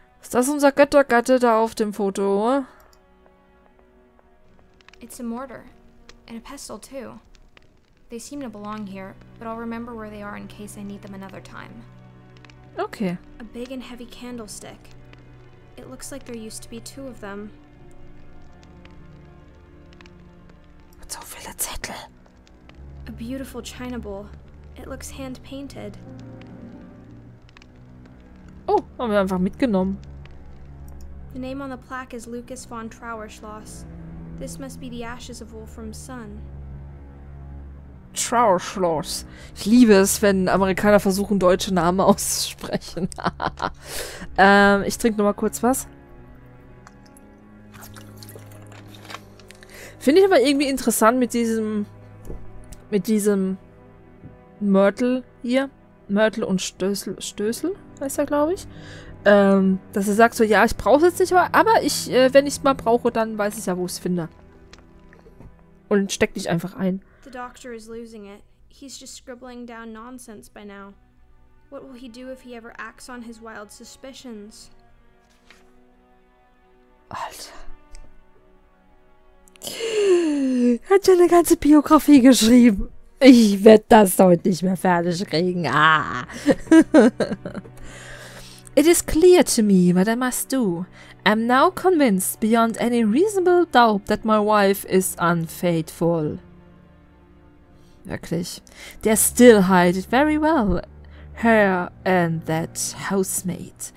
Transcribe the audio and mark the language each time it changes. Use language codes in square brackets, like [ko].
[de] Das ist unser Göttergatte da auf dem Foto. [en] It's a mortar and a pestle too. They seem to belong here, but I'll remember where they are in case I need them another time. Okay. A big and heavy candlestick. It looks like there used to be two of them. [de] So viele Zettel. [en] A beautiful china bowl. It looks hand painted. [de] Oh, haben wir einfach mitgenommen. [en] The name on the plaque is Lucas von Trauerschloss. This must be the ashes of Wolfram's son. [de] Trauerschloss. Ich liebe es, wenn Amerikaner versuchen, deutsche Namen auszusprechen. ich trinke nochmal kurz was. Finde ich aber irgendwie interessant mit diesem... Mörtel hier. Mörtel und Stößel. Stößel heißt er, glaube ich. Dass er sagt so, ja, ich brauche es jetzt nicht, aber ich, wenn ich es mal brauche, dann weiß ich ja, wo ich es finde. Und steck dich einfach ein. [en] The doctor is losing it. He's just scribbling down nonsense by now. What will he do if he ever acts on his wild suspicions? [de] Alter. Hat ja eine ganze Biografie geschrieben. Ich werde das heute nicht mehr fertig kriegen. Ah. [en] It is clear to me what I must do. I'm now convinced beyond any reasonable doubt that my wife is unfaithful. [de] Wirklich. [en] They still hide it very well, her and that housemaid.